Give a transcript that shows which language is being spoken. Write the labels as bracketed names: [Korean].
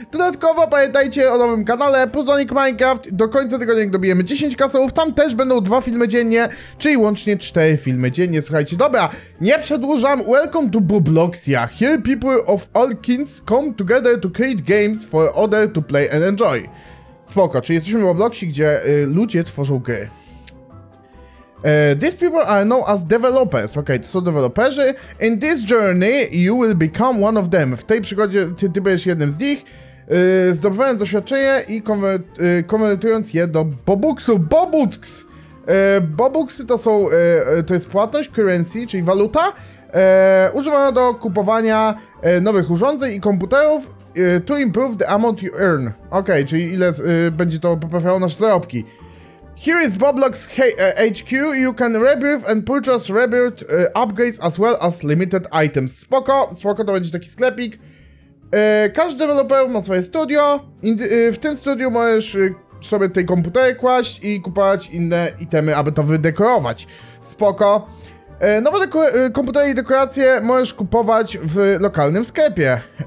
[Polish] Dodatkowo pamiętajcie o nowym kanale Puzonic Minecraft, do końca tego dnia dobijemy 10 kasołów, tam też będą 2 filmy dziennie, czyli łącznie 4 filmy dziennie, słuchajcie. Dobra, nie przedłużam, [English] welcome to Bubloxia, here people of all kinds come together to create games for other to play and enjoy. [Polish] Spoko, czyli jesteśmy w Bubloxie, gdzie ludzie tworzą gry. [English] These people are known as developers. [Polish] Okay, to są deweloperzy. [English] In this journey, you will become one of them. [Polish] W tej przygodzie ty będziesz jednym z nich. Zdobywając doświadczenie i konwertując je do bobuksów. Bobuks! Bobuksy to są... to jest płatność, currency, czyli waluta. Używana do kupowania nowych urządzeń i komputerów. [English] To improve the amount you earn. [Polish] Okay, czyli ile będzie to poprawiało nasze zarobki. [English] Here is Boblox HQ, you can rebuild and purchase rebuild upgrades as well as limited items. [Polish] Spoko, spoko, to będzie taki sklepik. Każdy deweloper ma swoje studio. W tym studiu możesz sobie tej komputery kłaść i kupować inne itemy, aby to wydekorować. Spoko. Nowe komputery i dekoracje możesz kupować w lokalnym sklepie.